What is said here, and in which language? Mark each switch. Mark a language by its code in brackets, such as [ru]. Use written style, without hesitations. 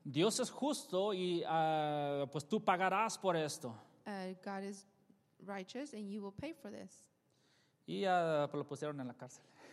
[es] Dios es justo y pues tú pagarás por esto. [en] God is righteous and you will pay for this. [es] Y lo pusieron en la cárcel.